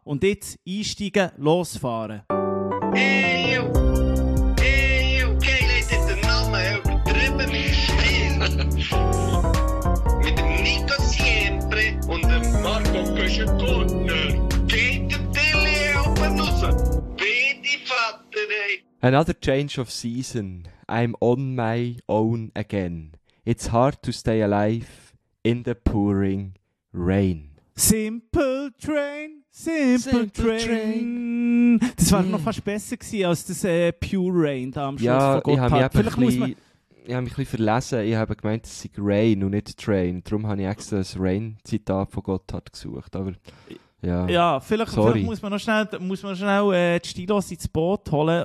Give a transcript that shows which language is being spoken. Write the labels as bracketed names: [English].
[German] Und jetzt einsteigen, losfahren. Hey, yo. Hey, yo. Okay, Leute, der Name «Übertrieben mit Stil». Mit dem Nico Siempre und dem Marco Köschen-Gurtner. Geht der Dilli auf den Nussen? Bitte, Vater, ey. [English] Another change of season. I'm on my own again. It's hard to stay alive in the pouring rain. Simple Train, Simple Train. [German] Das war noch fast besser gewesen als das Pure Rain da am ja, Schluss von Gotthard. Ja, ich habe mich ein bisschen verlesen. Ich habe gemeint, es sei Rain und nicht Train. Darum habe ich extra das Rain-Zitat von Gotthard gesucht. Aber, ja. Ja, vielleicht muss man noch schnell die Stilos ins Boot holen.